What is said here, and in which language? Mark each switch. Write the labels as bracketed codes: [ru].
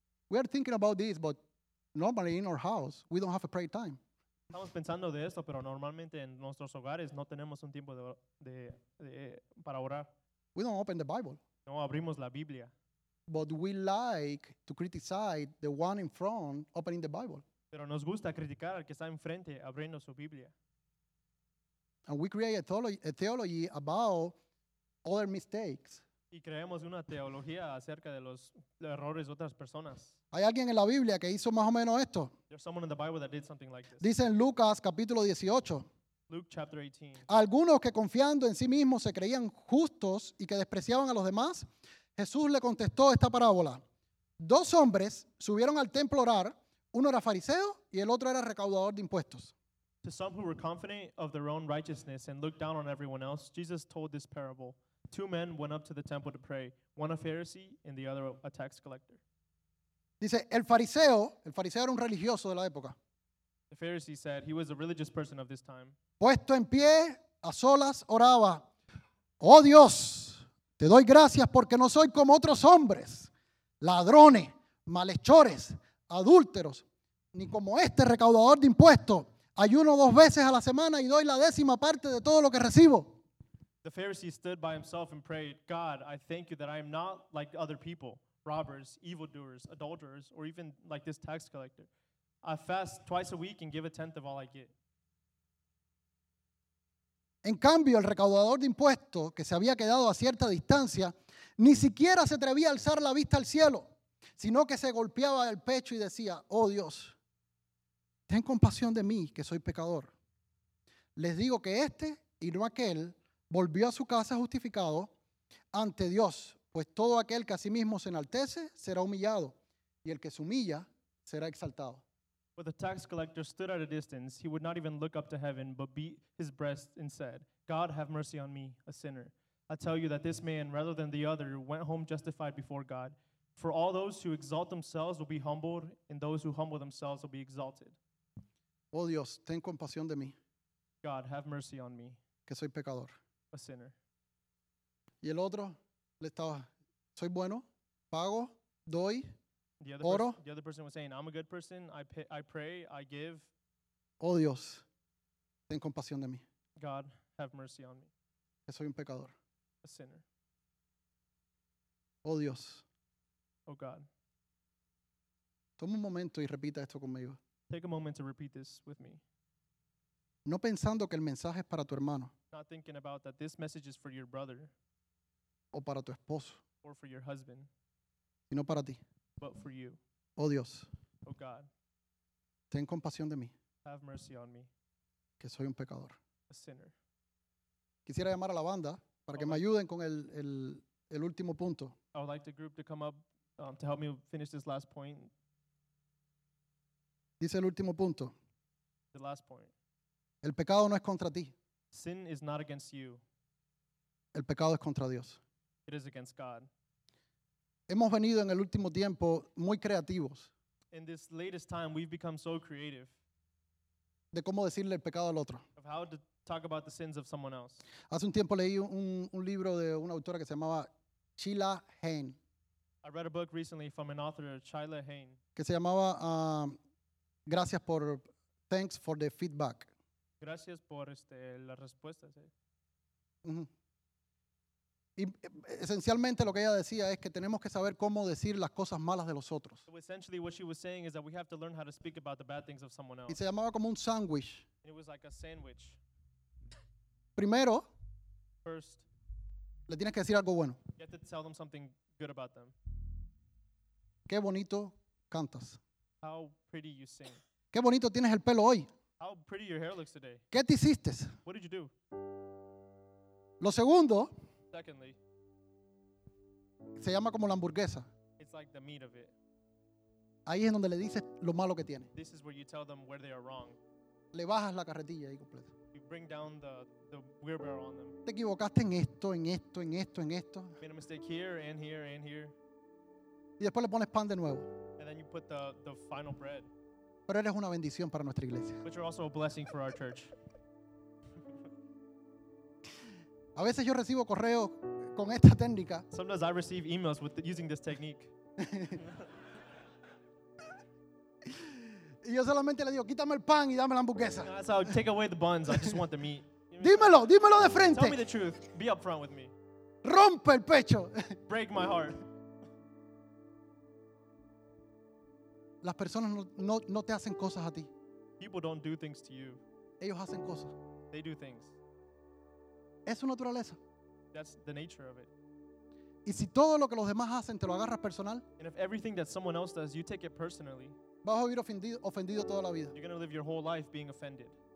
[en] We are thinking about this, but normally in our house, we don't have a prayer time. [es] Estamos pensando de esto, pero normalmente en nuestros hogares no tenemos un tiempo de para orar. [en] We don't open the Bible. [es] No abrimos la Biblia. [en] But we like to criticize the one in front opening the Bible. [es] Pero nos gusta criticar al que está enfrente abriendo su Biblia. [en] And we create a theology about other mistakes. [es] Y creamos una teología acerca de los errores de otras personas. Hay alguien en la Biblia que hizo más o menos esto. [en] There's someone in the Bible that did something like this. [es] Dice en Lucas capítulo 18. [en] Luke chapter 18. [es] Algunos que confiando en sí mismos se creían justos y que despreciaban a los demás, Jesús le contestó esta parábola. Dos hombres subieron al templo a orar, uno era fariseo y el otro era recaudador de impuestos. [en] To some who were confident of their own righteousness and looked down on everyone else, Jesus told this parable. Two men went up to the temple to pray, one a Pharisee and the other a tax collector. [es] Dice, el fariseo era un religioso de la época. [en] The Pharisee said he was a religious person of this time. [es] Puesto en pie, a solas oraba. Oh Dios, te doy gracias porque no soy como otros hombres, ladrones, malhechores, adúlteros, ni como este recaudador de impuestos. Ayuno dos veces a la semana y doy la décima parte de todo lo que recibo. [en] The Pharisee stood by himself and prayed, God, I thank you that I am not like other people, robbers, evildoers, adulterers, or even like this tax collector. I fast twice a week and give a tenth of all I get. [es] En cambio, el recaudador de impuestos, que se había quedado a cierta distancia, ni siquiera se atrevía a alzar la vista al cielo, sino que se golpeaba el pecho y decía, oh Dios, ten compasión de mí, que soy pecador. Les digo que este y no aquel volvió a su casa justificado ante Dios, pues todo aquel que a sí mismo se enaltece será humillado, y el que se humilla será exaltado. [en] But the tax collector stood at a distance. He would not even look up to heaven, but beat his breast and said, God, have mercy on me, a sinner. I tell you that this man, rather than the other, went home justified before God. For all those who exalt themselves will be humbled, and those who humble themselves will be exalted. [es] Oh Dios, ten compasión de mí. [en] God, have mercy on me. [es] Que soy pecador. [en] A sinner. [es] Y el otro le estaba, soy bueno, pago, doy, oro. [en] The other person was saying, I'm a good person, I pray, I give. [es] Oh Dios, ten compasión de mí. [en] God, have mercy on me. [es] Que soy un pecador. [en] A sinner. [es] Oh Dios. [en] Oh God. [es] Toma un momento y repita esto conmigo. [en] Take a moment to repeat this with me. [es] No pensando que el mensaje es para tu hermano. [en] Not thinking about that this message is for your brother. [es] O para tu esposo. [en] Or for your husband. [es] Sino para ti. [en] But for you. [es] Oh Dios. [en] Oh God. [es] Ten compasión de mí. [en] Have mercy on me. [es] Que soy un pecador. [en] A sinner. [es] Quisiera llamar a la banda para que me ayuden con el último punto. [en] I would like the group to come up to help me finish this last point. [es] Dice el último punto. [en] The last point. [es] El pecado no es contra ti. [en] Sin is not against you. [es] El pecado es contra Dios. [en] It is against God. [es] Hemos venido en el último tiempo muy creativos. [en] In this latest time, we've become so creative. [es] De cómo decirle el pecado al otro. [en] Of how to talk about the sins of someone else. [es] Hace un tiempo leí un libro de una autora que se llamaba Sheila Hain. [en] I read a book recently from an author, Sheila Hain. [es] Que se llamaba Gracias por Thanks for the Feedback. Gracias por las respuestas. Mm-hmm. Y esencialmente lo que ella decía es que tenemos que saber cómo decir las cosas malas de los otros. [en] So essentially what she was saying is that we have to learn how to speak about the bad things of someone else. [es] Y se llamaba como un sándwich. [en] It was like a sandwich. [es] Primero, [en] first, [es] le tienes que decir algo bueno. [en] You have to tell them something good about them. [es] Qué bonito cantas. [en] How pretty you sing. [es] Qué bonito tienes el pelo hoy. [en] How pretty your hair looks today. [es] ¿Qué te hiciste? [en] What did you do? [es] Lo segundo, [en] secondly, [es] se llama como la hamburguesa. [en] It's like the meat of it. [es] Ahí es donde le dices lo malo que tiene. [en] This is where you tell them where they are wrong. [es] Le bajas la carretilla ahí completo. [en] You bring down the wheelbarrow on them. [es] Te equivocaste en esto, en esto, en esto, en esto. [en] You made a mistake here and here and here. [es] Y después le pones pan de nuevo. [en] And then you put the final bread. [es] Pero eres una bendición para nuestra iglesia. [en] But you're also a blessing for our church. [es] A veces yo recibo correos con esta técnica. [en] Sometimes I receive emails with using this technique. [es] Y yo solamente le digo, quítame el pan y dame la hamburguesa. [en] So take away the buns. I just want the meat. [es] Dímelo, dímelo de frente. [en] Tell me the truth. Be upfront with me. [es] Rompe el pecho. [en] Break my heart. [es] Las personas no te hacen cosas a ti. [en] People don't do things to you. [es] Ellos hacen cosas. [en] They do things. [es] Es su naturaleza. [en] That's the nature of it. [es] Y si todo lo que los demás hacen te lo agarras personal, [en] and if everything that someone else does, you take it personally, [es] vas a vivir ofendido toda la vida. [en] You're going to live your whole life being offended.